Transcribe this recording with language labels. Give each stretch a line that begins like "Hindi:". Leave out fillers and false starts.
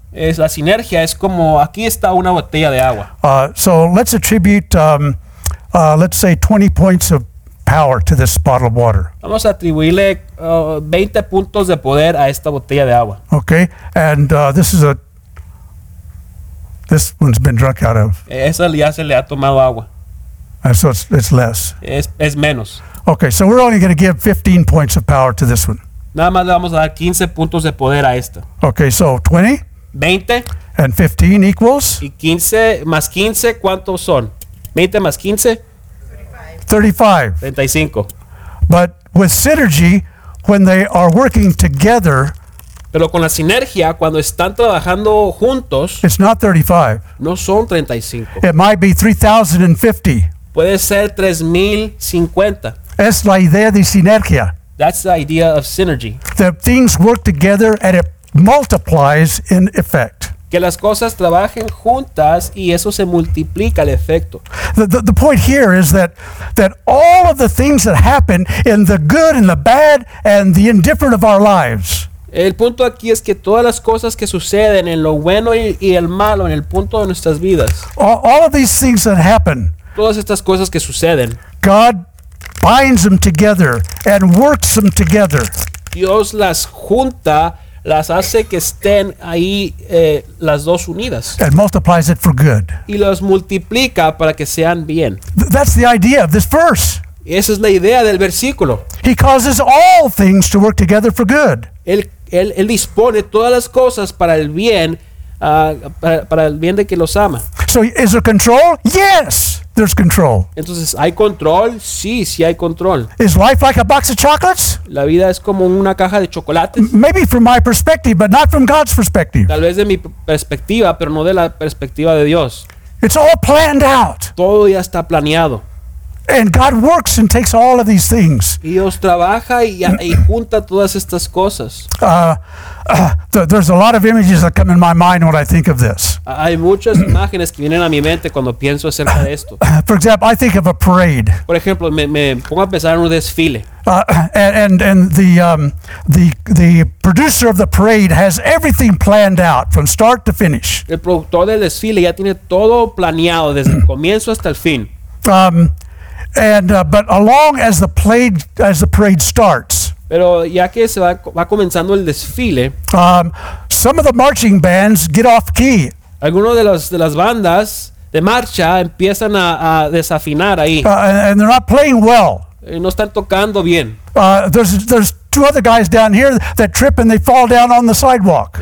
Spanish: Es la sinergia es como aquí está una botella de agua.
English: So let's attribute let's say 20 points of power to this bottle of water.
Spanish: Vamos a atribuirle 20 puntos de poder a esta botella de agua.
English: Okay, and this one's been drunk out of.
Spanish: Esa ya se le ha tomado agua.
English: So it's less.
Spanish: Es menos.
English: Okay, so we're only going to give 15 points of power to this one.
Spanish: Nada más le vamos a dar 15 puntos de poder a esta.
English: Okay, so 20.
Spanish: 20.
English: And 15 equals.
Spanish: Y 15 más 15, ¿cuántos son? 20 más 15.
English: 35. But with synergy, when they are working together,
Spanish: pero con la sinergia, cuando están trabajando juntos,
English: it's not 35.
Spanish: No son 35.
English: It might be 3,050.
Spanish: Puede ser 3,050. Es la idea de sinergia.
English: That's the idea of synergy. That things work together and it multiplies in effect.
Spanish: Que las cosas trabajen juntas y eso se multiplica el efecto.
English: The point here is that all of the things that happen in the good and the bad and the indifferent of our lives.
Spanish: El punto aquí es que todas las cosas que suceden en lo bueno y el malo en el punto de nuestras vidas.
English: All of these things that happen.
Spanish: Todas estas cosas que suceden.
English: God binds them together and works them together.
Spanish: Dios las junta. Las hace que estén ahí las dos unidas.
English: And multiplies it for good.
Spanish: Y los multiplica para que sean bien.
English: That's the idea of this verse.
Spanish: Y esa es la idea del versículo.
English: He causes all things to work together for good.
Spanish: Él dispone todas las cosas para el bien para el bien de que los ama.
English: So is there control? Yes, there's control.
Spanish: Entonces, ¿hay control? Sí, sí hay control.
English: Is life like a box of chocolates?
Spanish: La vida es como una caja de chocolates.
English: Maybe from my perspective, but not from God's perspective.
Spanish: Tal vez de mi perspectiva, pero no de la perspectiva de Dios.
English: It's all planned out.
Spanish: Todo ya está planeado.
English: And God works and takes all of these things.
Spanish: Dios trabaja y junta todas estas cosas.
English: There's a lot of images that come in my mind when I think of this.
Spanish: Hay muchas imágenes que vienen a mi mente cuando pienso acerca de esto.
English: For example, I think of a parade.
Spanish: Por ejemplo, me pongo a pensar en un desfile.
English: And the producer of the parade has everything planned out from start to finish.
Spanish: El productor del desfile ya tiene todo planeado desde el comienzo hasta el fin.
English: But along as the parade starts.
Spanish: Pero ya que se va comenzando el desfile.
English: Some of the marching bands get off key.
Spanish: Algunos de las bandas de marcha empiezan a desafinar ahí.
English: And they're not playing well.
Spanish: Y no están tocando bien.
English: There's two other guys down here that trip and they fall down on the sidewalk.